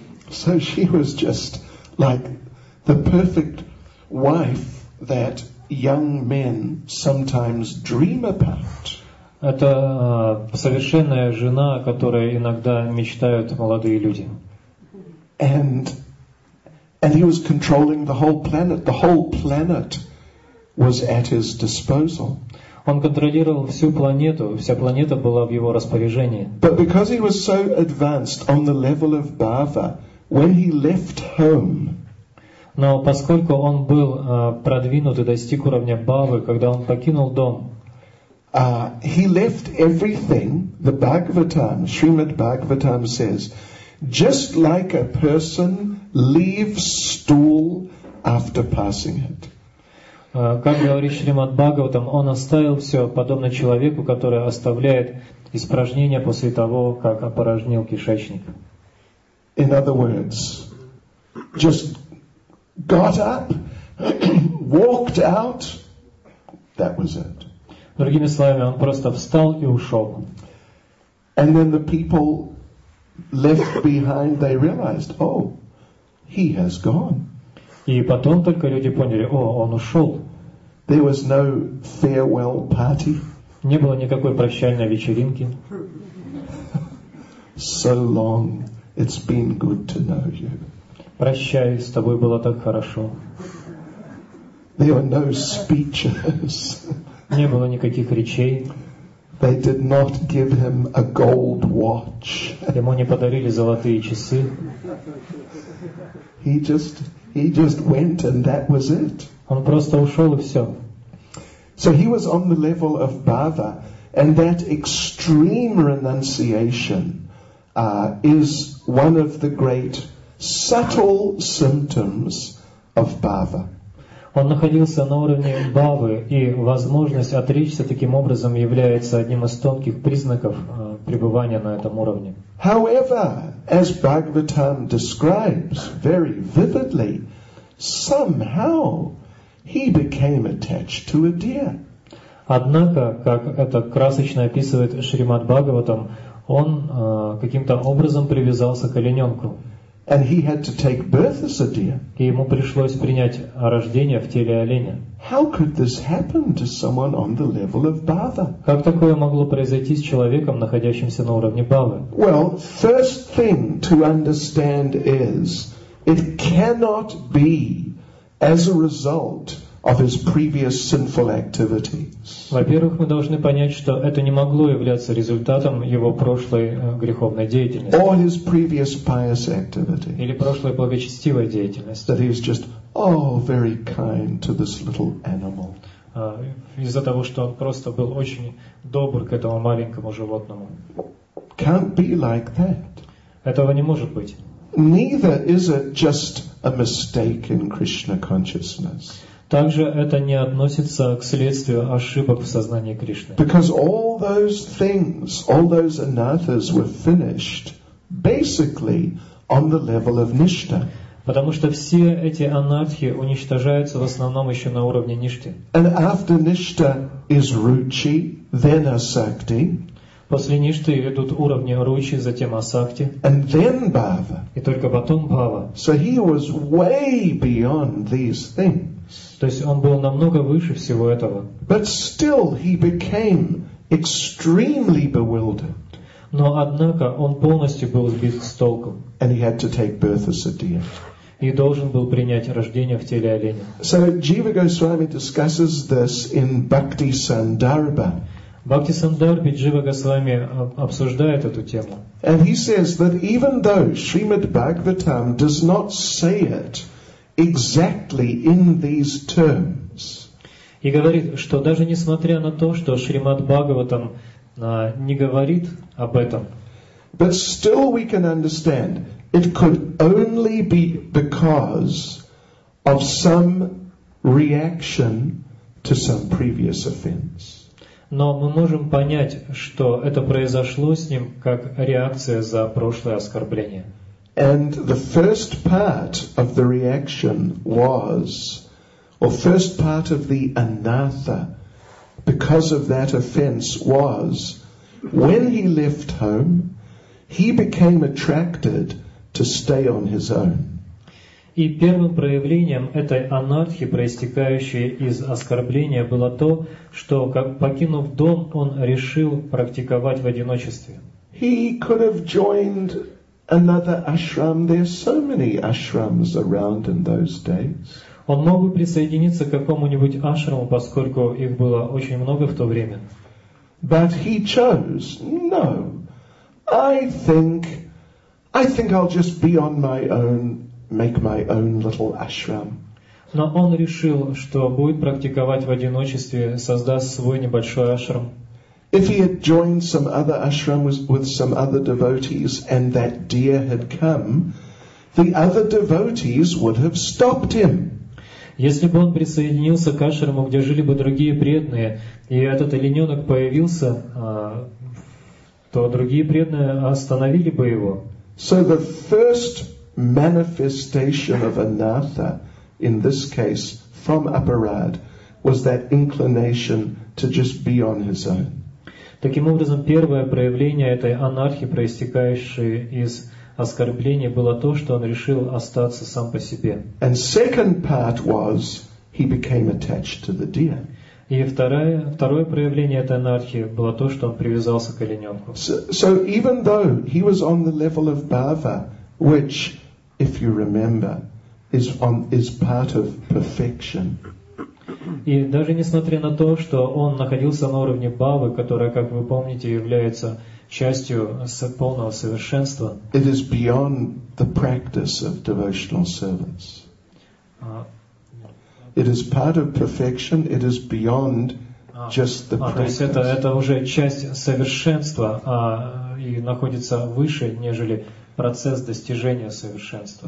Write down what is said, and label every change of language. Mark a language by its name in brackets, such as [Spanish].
[English] So she was just like the perfect wife that young men sometimes dream about. [Russian] Это совершенная жена, о которой иногда мечтают молодые люди. [English] And he was controlling the whole planet. The whole planet was at his disposal. [Russian] Он контролировал всю планету, вся планета была в его распоряжении. [English] But because he was so advanced on the level of bhava, when he left home, [Russian] но поскольку он был продвинут и достиг уровня бхавы, когда он покинул дом, [English] he left everything, the Bhagavatam, Srimad Bhagavatam says, just like a person leaves stool after passing it. [Russian] Как говорит Шримад Бхагаватам, он оставил все подобно человеку, который оставляет испражнения после того, как опорожнил кишечник. [English] In other words, just got up, walked out, that was it. [Russian] Другими словами, он просто встал и ушел. [English] And then the people left behind, they realized, oh, he has gone. [Russian] И потом только люди поняли, о, он ушел. [English] There was no farewell party. [Russian] Не было никакой прощальной вечеринки. [English] So long, it's been good to know you. [Russian] Прощай, с тобой было так хорошо. [English] There were no speeches. [Russian] Не было никаких речей. [English] They did not give him a gold watch. [Russian] Ему не подарили золотые часы. [English] He just went and that was it. [Russian] Он просто ушел и все. [English] So he was on the level of bhava, and that extreme renunciation is one of the great subtle symptoms of bhava. [Russian] Он находился на уровне бхавы, и возможность отречься таким образом является одним из тонких признаков пребывания на этом уровне. [English] However, as Bhagavatam describes very vividly, somehow he became attached to a deer. [Russian] Однако, как это красочно описывает Шримад Бхагаватам, он каким-то образом привязался к олененку. [English] And he had to take birth as a deer. [Russian] И ему пришлось принять рождение в теле оленя. [English] How could this happen to someone on the level of Bhava? [Russian] Как такое могло произойти с человеком, находящимся на уровне Бхавы? [English] Well, first thing to understand is it cannot be as a result of his previous sinful activities. [Russian] Во-первых, мы должны понять, что это не могло являться результатом его прошлой греховной деятельности. [English] Or his previous pious activity. [Russian] Или прошлой благочестивой деятельности. [English] That he was just, oh, very kind to this little animal. [Russian] Из-за того, что он просто был очень добр к этому маленькому животному. [English] Can't be like that. [Russian] Этого не может быть. [English] Neither is it just a mistake in Krishna consciousness. [Russian] Также это не относится к следствию ошибок в сознании Кришны. [English] Because all those things, all those anathas were finished basically on the level of nishtha. [Russian] Потому что все эти анатхи уничтожаются в основном еще на уровне ништи. [English] And after nishtha is ruchi, then asakti. [Russian] После ништы идут уровни ручи, затем асакти. [English] And then bhava. [Russian] И только потом бхава. [English] So he was way beyond these things. [Russian] То есть он был намного выше всего этого. [English] But still he became extremely bewildered. [Russian] Но однако он полностью был сбит с толку. [English] And he had to take birth as a deer. [Russian] И должен был принять рождение в теле оленя. [English] So Jiva Goswami discusses this in Bhakti Sandarbha. [Russian] Бхакти Сандарбхи Джива Госвами обсуждает эту тему. [English] And he says that even though Srimad Bhagavatam does not say it exactly in these terms. [Russian] И говорит, что даже несмотря на то, что Шримад Бхагаватам не говорит об этом. [English] But still we can understand it could only be because of some reaction to some previous offense. [Russian] Но мы можем понять, что это произошло с ним как реакция за прошлое оскорбление. [English] And the first part of the reaction was, or first part of the anatha, because of that offense was, when he left home, he became attracted to stay on his own. [Russian] И первым проявлением этой анатхи, проистекающей из оскорбления, было то, что, как покинув дом, он решил практиковать в одиночестве. [English] He could have joined another ashram. There's so many ashrams around in those days. [Russian] Он мог бы присоединиться к какому-нибудь ашраму, поскольку их было очень много в то время. [English] But he chose, no, I think I'll just be on my own, make my own little ashram. [Russian] Но он решил, что будет практиковать в одиночестве, создаст свой небольшой ашрам. [English] If he had joined some other ashram with some other devotees and that deer had come, the other devotees would have stopped him. [Russian] Если бы он присоединился к ашраму, где жили бы другие преданные, и этот олененок появился, то другие преданные остановили бы его. [English] So the first manifestation of anatha in this case from Aparad was that inclination to just be on his own. [Russian] Таким образом, первое проявление этой анархии, проистекающей из оскорбления, было то, что он решил остаться сам по себе. [English] And second part was he became attached to the deer. [Russian] И второе проявление этой анархии было то, что он привязался к олененку. [English] So even though he was on the level of bhava, which, if you remember, is part of perfection. [Russian] И даже несмотря на то, что он находился на уровне бхавы, которая, как вы помните, является частью полного совершенства. [English] It is beyond the practice of devotional service. It is part of perfection, it is beyond just the practice. [Russian] То есть это уже часть совершенства, и находится выше, нежели процесс достижения совершенства.